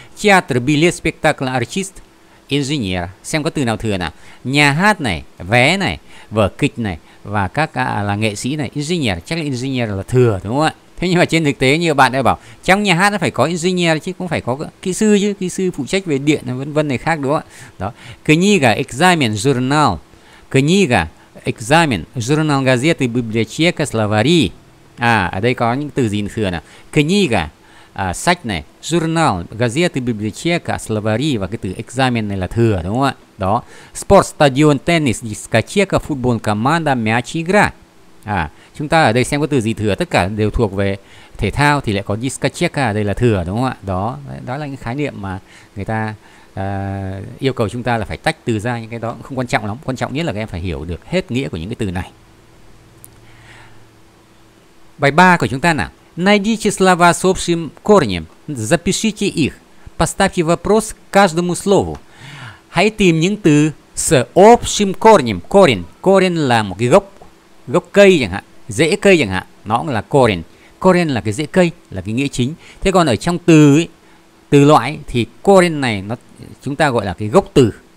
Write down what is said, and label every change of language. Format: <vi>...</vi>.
<ru>Театр, билет, спектакль, артист, инженер,</ru> <vi>xem có từ nào thừa nào. Nhà hát này, vé này, vở kịch này, và các là nghệ sĩ này, engineer, chắc là engineer là thừa đúng không ạ? Thế nhưng mà trên thực tế nhiều bạn đã bảo trong nhà hát nó phải có engineer chứ, cũng phải có kỹ sư chứ, kỹ sư phụ trách về điện vân vân này khác đúng không ạ?</vi> <ru>Đó. Книга, экзамен, журнал. Книга, экзамен, журнал, газеты, библиотека, словари.</ru> <vi>À, ở đây có những từ gì thừa nào?</vi> <ru>Книга,</ru> <vi>sách này,</vi> <ru>журнал, газеты, библиотека, словари,</ru> <vi>và cái từ экзамен này là thừa đúng không ạ?</vi> <ru>Đó. Спорт, стадион, теннис, дискотека, футбол, команда, мяч, игра.</ru> <vi>À, chúng ta ở đây xem có từ gì thừa, tất cả đều thuộc về thể thao thì lại có дискотека, đây là thừa đúng không ạ? Đó, đó là những khái niệm mà người ta yêu cầu chúng ta là phải tách từ ra, những cái đó không quan trọng lắm, quan trọng nhất là các em phải hiểu được hết nghĩa của những cái từ này. Bài 3 của chúng ta nào.</vi> <ru>Найдите слова с общим корнем. Запишите их. Поставьте вопрос каждому слову.</ru> <vi>Hãy tìm những từ</vi> <ru>с общим корнем. Корень.</ru> <vi>Корень là một cái gốc, gốc cây chẳng hạn, rễ cây chẳng hạn, nó cũng là корень. Корень là cái rễ cây, là cái nghĩa chính. Thế còn ở trong từ ấy, từ loại thì корень này nó chúng ta gọi là cái gốc từ.</vi>